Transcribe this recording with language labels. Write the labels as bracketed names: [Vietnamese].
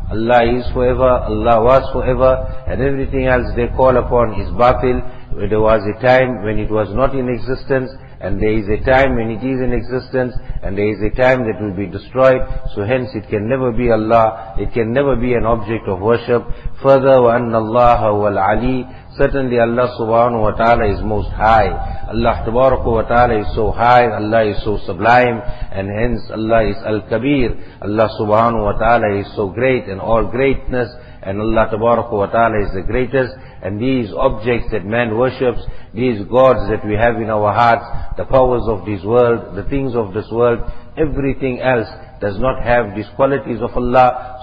[English] Allah is forever, Allah was forever, and everything else they call upon is batil. There was a time when it was not in existence, and there is a time when it is in existence, and there is a time that will be destroyed. So hence it can never be Allah, it can never be an object of worship. Further, [Arabic] وَأَنَّ اللَّهَ هُوَ الْعَلِيُّ. [English] Certainly Allah subhanahu wa ta'ala is most high. Allah tabaraka wa ta'ala is so high, Allah is so sublime, and hence Allah is al-kabir. Allah subhanahu wa ta'ala is so great and all greatness, and Allah tabaraka wa ta'ala is the greatest. And these objects that man worships, these gods that we have in our hearts, the powers of this world, the things of this world, everything else does not have these qualities of Allah.